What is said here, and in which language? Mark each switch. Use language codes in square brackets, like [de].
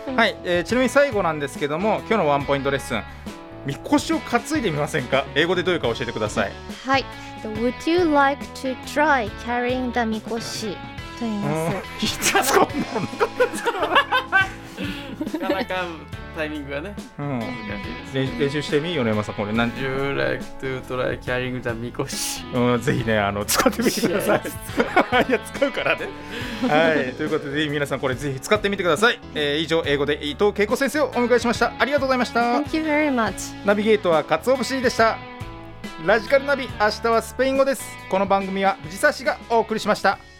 [ja] はい、ちなみに最後なんですけども、今日のワンポイントレッスン、みこしを担いでみませんか。英語でどういうか教えてください。 [en] はい、 Would you like to try carrying the みこし [ja] と言います。いつかそんなのなかなかタイミングがね、難しいです。練習してみ、米山さん。これ何 [en] Would you like to try carrying the みこし。 [ja] ぜひね、使ってみてください。いや、使うからね。はい、ということで皆さんこれぜひ使ってみてください。以上、英語で伊藤恵子先生をお迎えしました。ありがとうございました。 [en] Thank you very much。 [ja] ナビゲートはかつお節でした。ラジカルナビ、明日はスペイン語です。この番組は藤沢市がお送りしました。